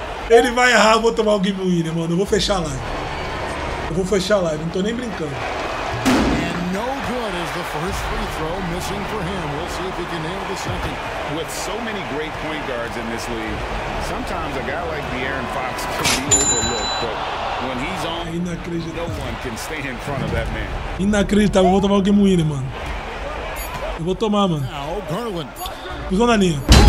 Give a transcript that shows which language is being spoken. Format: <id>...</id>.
<pt>Ele vai errar, eu vou tomar o Game Winner, mano. Eu vou fechar a live, não tô nem brincando.</pt> <en>And no good is the first free throw missing for him. We'll see if he can nail the second. With so many great point guards in this league, sometimes a guy like De'Aaron Fox can be overlooked, but when he's on, no one can stay in front of that man.</en> <pt>Inacreditável, eu vou tomar o Game Winner, mano. Eu vou tomar, mano. Pisou na linha.</pt>